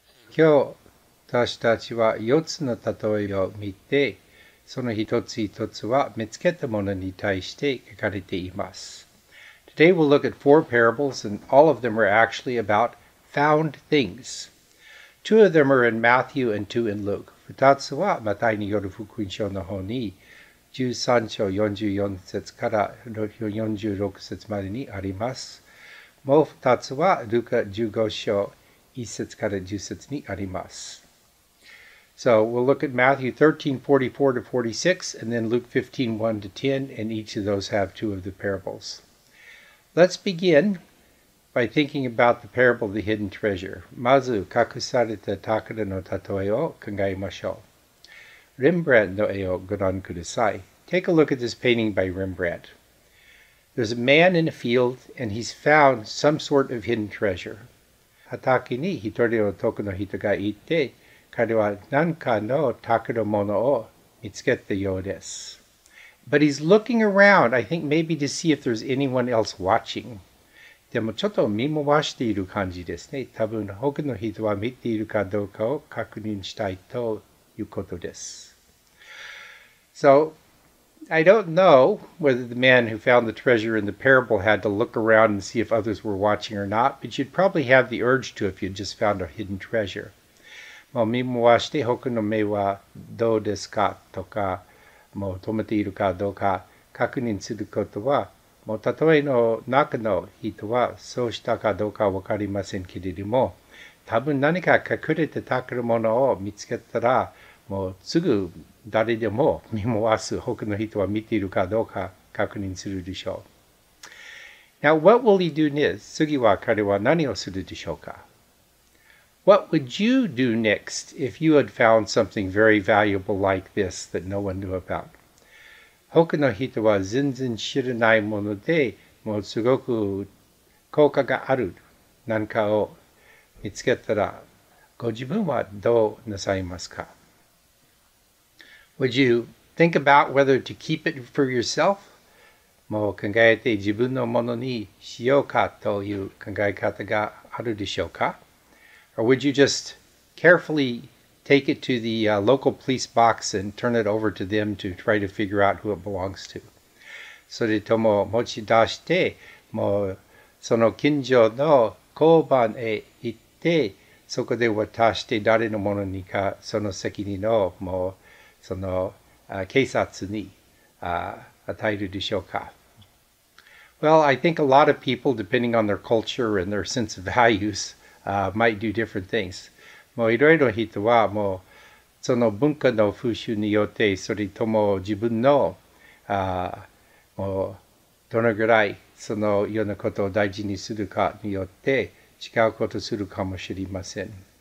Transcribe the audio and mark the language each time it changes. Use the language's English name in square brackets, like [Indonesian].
[Japanese] 今日、私たちは四つのたとえを見て、その一つ一つは見つけたものに対して書かれています。 [English] Today we'll look at four parables and all of them are actually about found things. Two of them are in Matthew and two in Luke. [Japanese] 二つはマタイによる福音書の方に13章44節から46節までにあります。もう二つはルカ15章1節から10節にあります。 [English] So we'll look at Matthew 13, 44 to 46 and then Luke 15, 1 to 10 and each of those have two of the parables. Let's begin by thinking about the parable of the hidden treasure. [Japanese] まず隠された宝の例えを考えましょう。レンブラントの絵をご覧ください。 [English] Take a look at this painting by Rembrandt. There's a man in a field, and he's found some sort of hidden treasure. [Japanese] 畑に一人の男の人がいて、彼は何かの宝物を見つけたようです。 [English] But he's looking around, I think maybe to see if there's anyone else watching. [Japanese] でもちょっと見回している感じですね。多分他の人は見ているかどうかを確認したいということです。 [English] So, I don't know whether the man who found the treasure in the parable had to look around and see if others were watching or not, but you'd probably have the urge to if you'd just found a hidden treasure. [Japanese] まあ見回して他の目はどうですかとか、もう止めているかどうか確認することは、もうたとえの中の人はそうしたかどうかわかりませんけれども、多分何か隠れて宝物を見つけたら、もうすぐ誰でも見回す他の人は見ているかどうか確認するでしょう。 [English] Now, what will he do next? [Japanese] 次は彼は何をするでしょうか? [English] What would you do next if you had found something very valuable like this that no one knew about? [Japanese] 他の人は全然知らないもので、もうすごく効果がある何かを見つけたら、ご自分はどうなさいますか? [English] Would you think about whether to keep it for yourself? [Japanese] もう考えて自分のものにしようかという考え方があるでしょうか? [English] Or would you just carefully take it to the local police box and turn it over to them to try to figure out who it belongs to? [Japanese] それとも持ち出して、もうその近所の交番へ行って、そこで渡して誰のものにか、その責任をもうその警察に与えるでしょうか? [English] Well, I think a lot of people, depending on their culture and their sense of values, might do different things. [Japanese] もういろいろ人はもうその文化の風習によってそれとも自分のもうどのぐらいそのようなことを大事にするかによって違うことをするかもしれません。